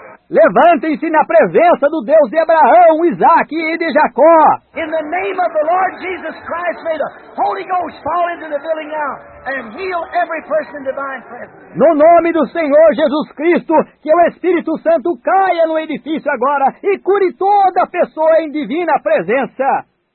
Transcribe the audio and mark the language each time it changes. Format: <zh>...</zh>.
<pt>Levantem-se na presença do Deus de Abraão, Isaac e de Jacó!</pt> <en>In the name of the Lord Jesus Christ, may the Holy Ghost fall into the building now and heal every person in divine presence.</en> <pt>No nome do Senhor Jesus Cristo, que o Espírito Santo caia no edifício agora e cure toda pessoa em divina presença!</pt>